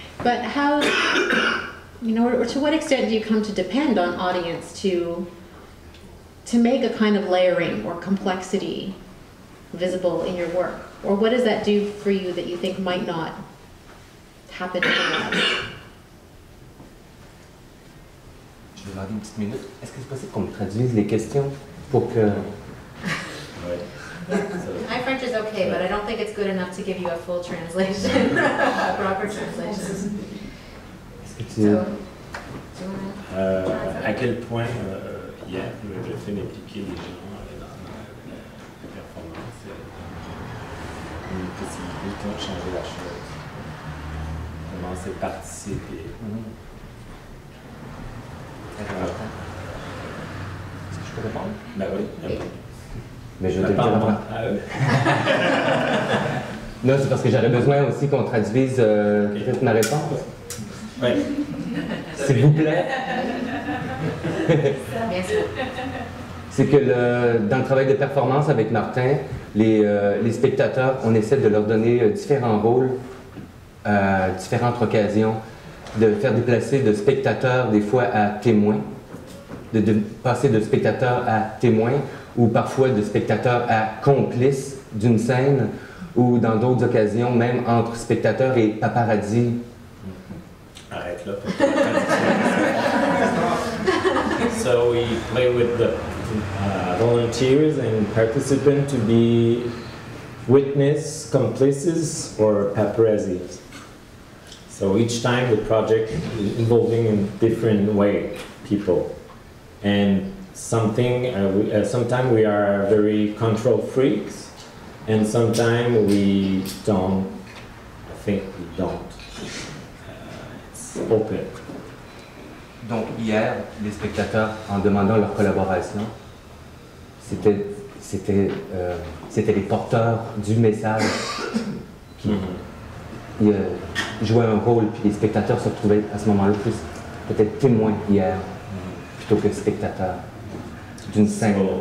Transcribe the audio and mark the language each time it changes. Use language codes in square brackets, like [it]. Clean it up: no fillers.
[en] But how, you know, or to what extent do you come to depend on audience to to make a kind of layering or complexity visible in your work? Or what does that do for you that you think might not happen in the lab? [fr] Je vais regarder une petite minute. Est-ce que c'est possible qu'on me traduise les questions pour que... [en] My French is okay, but I don't think it's good enough to give you a full translation, a proper translation. [fr] À quel point, le fait d'impliquer les gens dans la performance est une possibilité de changer la chose. Comment c'est participer. Est-ce que je peux répondre? Ben oui. Mais je vais te le dire. Non, c'est parce que j'aurais besoin aussi qu'on traduise okay. ma réponse. Oui. S'il vous plaît. Bien sûr. C'est que dans le travail de performance avec Martin, les spectateurs, on essaie de leur donner différents rôles à différentes occasions, de faire déplacer de spectateur des fois à témoin, de passer de spectateur à témoin, ou parfois de spectateur à complice d'une scène, ou dans d'autres occasions, même entre spectateur et paparazzi. Arrête là. [en] So we play with the volunteers and participants to be witness, complices, or paparazzi. So each time the project is involving in different way people. And something sometimes we are very control freaks, and sometimes we don't, I think we don't. It's open. [fr] Donc hier, les spectateurs, en demandant leur collaboration, c'était les porteurs du message qui jouaient un rôle, puis les spectateurs se retrouvaient à ce moment-là plus peut-être témoins hier plutôt que spectateurs d'une scène.